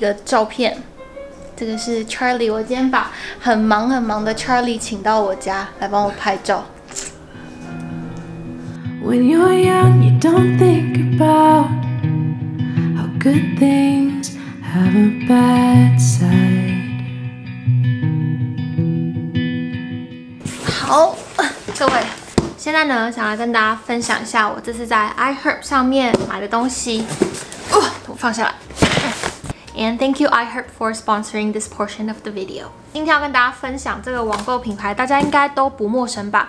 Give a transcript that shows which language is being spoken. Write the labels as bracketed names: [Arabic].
[Chinese] 拍一个照片，这个是 Charlie， 我今天把很忙的 Charlie 请到我家来帮我拍照。 [English] When you're young you don't think about how good things have a bad side。 [Chinese] 好，各位，现在呢想来跟大家分享一下我这次在 iHerb 上面买的东西。放下来。 [English] And thank you iHerb for sponsoring this portion of the video. [Chinese] 今天要跟大家分享这个网购品牌，大家应该都不陌生吧？